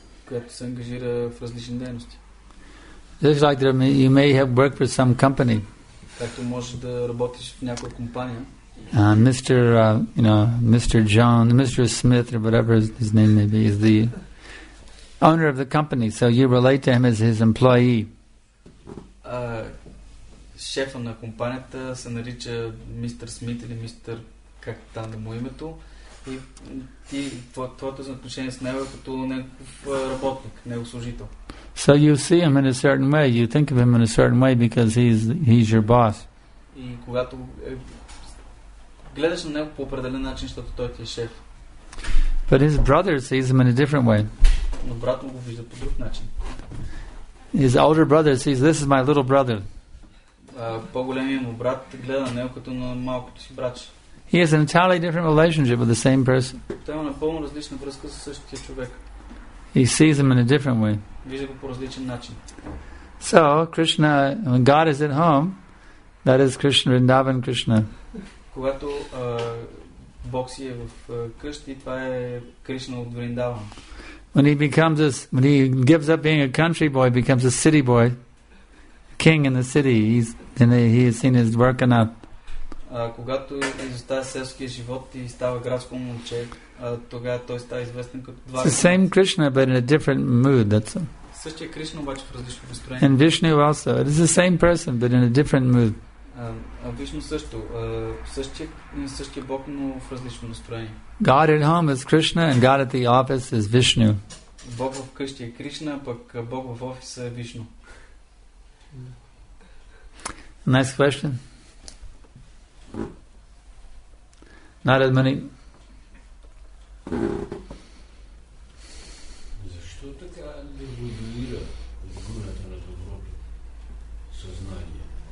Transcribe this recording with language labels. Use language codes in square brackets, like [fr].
[bg] Която се ангажира в различни дейности. [en] Just like there, you may have worked for some company. [bg] Както можеш да работиш в някоя компания. [en] Mr. John, Mr. Smith, or whatever his name may be, is the owner of the company. So you relate to him as his employee. [bg] Шефа на компанията се нарича Mr. Smith или Mr. как там да му името. И твоето отношение с него като негов работник, негов служител. [en] So you see him in a certain way, you think of him in a certain way because he's your boss. [bg] И когато гледаш на него по определен начин, защото той ти е шеф. [en] But his brother sees him in a different way. [bg] Но брат му го вижда по друг начин. [en] His older brother sees, this is my little brother. [bg] По-големият му брат гледа на него като на малкото си братче. [en] He has an entirely different relationship with the same person. [bg] Той има напълно различна връзка с същия човек. [en] He sees him in a different way. [bg] Вижда го по различен начин. [en] So, Krishna, when God is at home, that is Krishna, Vrindavan Krishna. [bg] Когато Бог си е в къщи, това е Кришна от Вриндаван. [en] When he gives up being a country boy, becomes a city boy, king in the city, he has seen his work enough. [bg] Когато изостава селския живот и става градско момче, тогава той става известен като два. [en] The same Krishna but in a different mood, that's all. [bg] Същия Кришна обаче в различно настроение. [en] And Vishnu also, it is the same person but in a different mood. [bg] Вишну също, същия Бог, но в различно настроение. [en] God at home is Krishna and God at the office is Vishnu. [bg] Бог в къщи е Кришна, пък Бог в офиса е Вишну. [en] Nice question. Not as many. [bg] Защо така не модулира гуната на доброто съзнание?